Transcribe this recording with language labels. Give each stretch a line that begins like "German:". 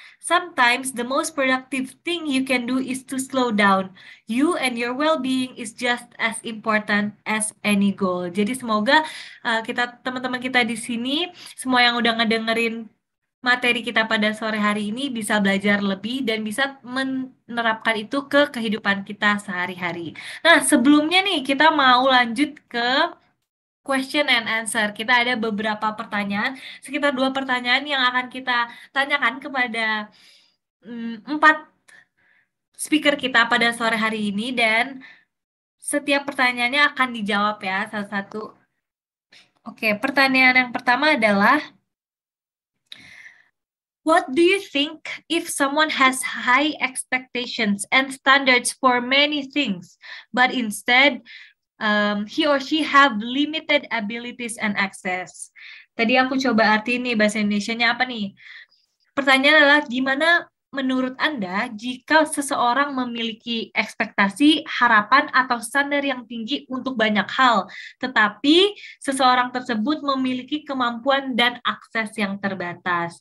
English: Sometimes the most productive thing you can do is to slow down. You and your well-being is just as important as any goal.
Indonesian: Jadi semoga kita teman-teman kita di sini, semua yang udah ngedengerin materi kita pada sore hari ini bisa belajar lebih dan bisa menerapkan itu ke kehidupan kita sehari-hari. Nah, sebelumnya nih, kita mau lanjut ke
English: question and answer.
Indonesian: Kita ada beberapa pertanyaan, sekitar dua pertanyaan yang akan kita tanyakan kepada empat speaker kita pada sore hari ini, dan setiap pertanyaannya akan dijawab ya, satu-satu. Oke, pertanyaan yang pertama adalah,
English: what do you think if someone has high expectations and standards for many things, but instead he or she have limited abilities and access?
Indonesian: Tadi aku coba arti nih, bahasa Indonesianya apa nih? Pertanyaan adalah, gimana menurut Anda jika seseorang memiliki ekspektasi, harapan, atau standar yang tinggi untuk banyak hal, tetapi seseorang tersebut memiliki kemampuan dan akses yang terbatas?